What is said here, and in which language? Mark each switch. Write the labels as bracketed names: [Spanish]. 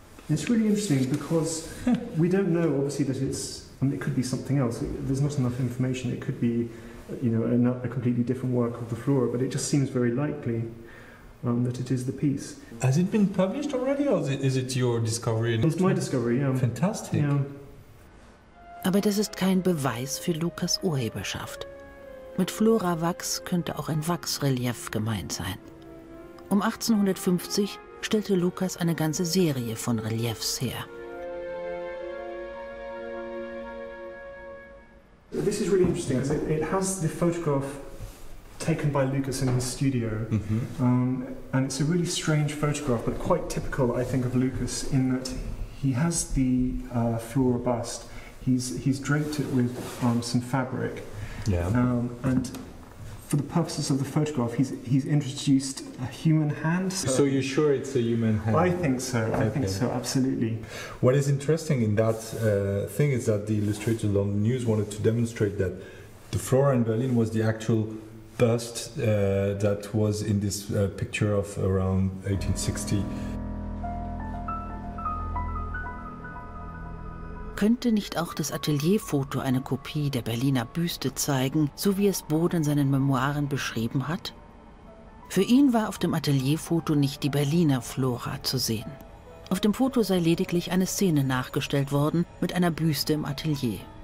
[English] It's really interesting because we don't know, obviously, that it's... I mean, it could be something else. There's not enough information. It could be, you know, a completely different work of the flora, but it just seems very likely that it is the piece. Has it been published already, or is it your discovery? It's my discovery, yeah. Fantastic. Yeah. [German] Aber das ist kein Beweis für Lucas' Urheberschaft. Mit Flora-Wachs könnte auch ein Wachsrelief gemeint sein. Um 1850 stellte Lucas eine ganze Serie von Reliefs her. [English] This is really interesting because it has the photograph taken by Lucas in his studio. Mm-hmm. And it's a really strange photograph, but quite typical, I think, of Lucas in that he has the flora bust. He's draped it with some fabric. Yeah. And for the purposes of the photograph, he's introduced a human hand. So you're sure it's a human hand? I think so. Okay. I think so, absolutely. What is interesting in that thing is that the Illustrated London News wanted to demonstrate that the flora in Berlin was the actual bust that was in this picture of around 1860. [German] Könnte nicht auch das Atelierfoto eine Kopie der Berliner Büste zeigen, so wie es Bode in seinen Memoiren beschrieben hat? Für ihn war auf dem Atelierfoto nicht die Berliner Flora zu sehen. Auf dem Foto sei lediglich eine Szene nachgestellt worden mit einer Büste im Atelier.